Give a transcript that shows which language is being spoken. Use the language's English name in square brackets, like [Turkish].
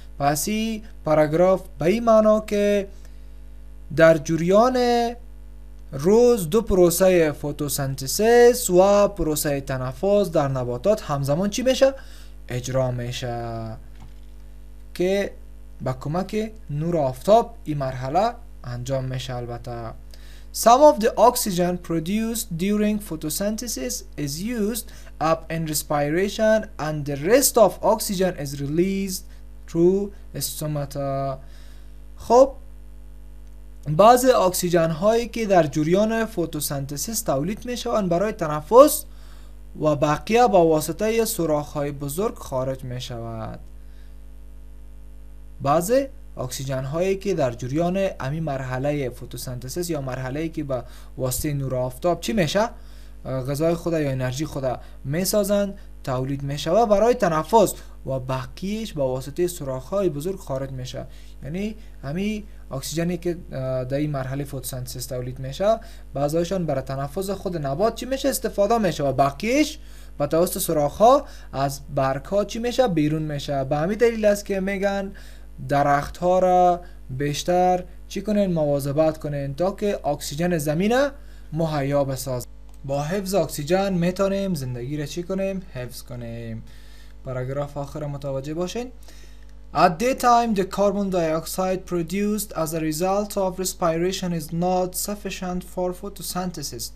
[Persian] پس این پاراگراف به این معنا که در جریان روز دو پروسه فوتوسنتسیس و پروسه تنفس در نباتات همزمان چی میشه؟ اجرا میشه که با کمک نور آفتاب این مرحله انجام میشه. البته [English] Some of the oxygen produced during photosynthesis is used up in respiration and the rest of oxygen is released through stomata. [Persian] خب بعض اکسیژن هایی که در جریان فوتوسنتسیس تولید می شوند برای تنفس و بقیه با واسطه سوراخ های بزرگ خارج می شود. بعض اکسیژن هایی که در جریان امی مرحله فوتوسنتسیس یا مرحله ای که با واسطه نور آفتاب چی می شه؟ غذای خود یا انرژی خود می سازند تولید می شود برای تنفس و بقیهش با واسطه سوراخ های بزرگ خارج می شه. یعنی همی اکسیژنی که در این مرحله فوتوسنتز تولید میشه بعضایشان برای تنفس خود نبات چی میشه استفاده میشه و بقیش با توسط سراخ ها از برگ ها چی میشه بیرون میشه. به همین دلیل است که میگن درخت ها را بیشتر چی کنین مواظبت کنین تا که اکسیژن زمین مهیا بساز. با حفظ اکسیژن میتونیم زندگی را چی کنیم؟ حفظ کنیم. پاراگراف آخر متوجه باشین. [English] At that time, the carbon dioxide produced as a result of respiration is not sufficient for photosynthesis.